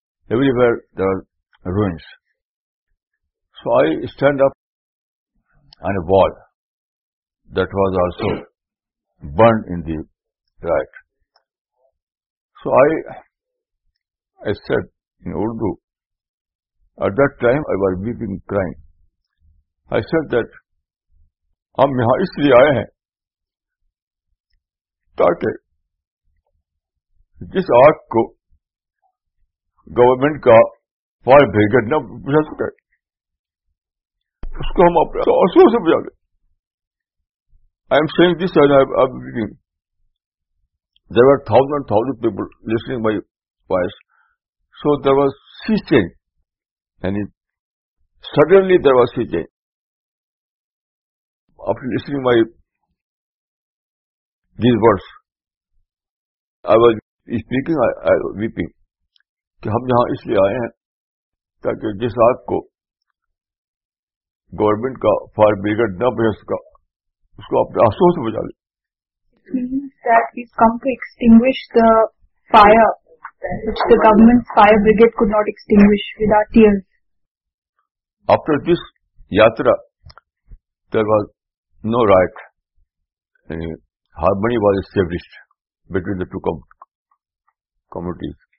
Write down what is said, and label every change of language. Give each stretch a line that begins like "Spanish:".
English: Everywhere there are ruins. So I stand up on a wall that was also burned in the riot. So I said in Urdu, at that time I was weeping, crying. I said that
Urdu: ہم یہاں اس لیے آئے ہیں تاکہ جس آگ کو government کا فائر بریگیڈ نہ بجھا سکے اس کو ہم اپنے آنسو سے بجھا لیں.
English: I am seeing this I am reading there are thousand and thousand people listening my voice so there was sea change یعنی suddenly there was sea change after listening my these words I was speaking weeping
Urdu: کہ ہم یہاں اس لیے آئے ہیں تاکہ جس آگ کو گورنمنٹ کا فائر بریگیڈ نہ بجھا سکا اس کو اپنے آنسو سے بجھا لیں.
English: That we've come to extinguish the fire which the government's fire brigade could not extinguish with our tears. After this yatra, there was no riot. Harmony was established between the two communities.